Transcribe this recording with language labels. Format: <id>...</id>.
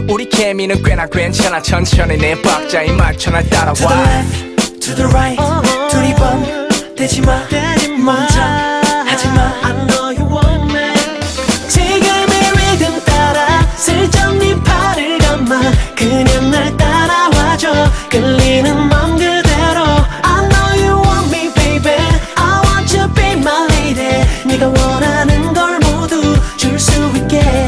<ko>Keminen, 꽤나 괜찮아. 천천히 내 박자에 맞춰 날 따라와.</ko> <en>To the left, to the right,</en> <ko>둘이 번 되지 마. 먼저 하지 마.</ko> <en>I know you want me.</en> <ko>지금의 리듬 따라 슬쩍 네 팔을 감아. 그냥 날 따라와줘. 끌리는 맘 그대로.</ko> <en>I know you want me, baby. I want you be my lady.</en> <ko>네가 원하는 걸 모두 줄 수 있게.</ko>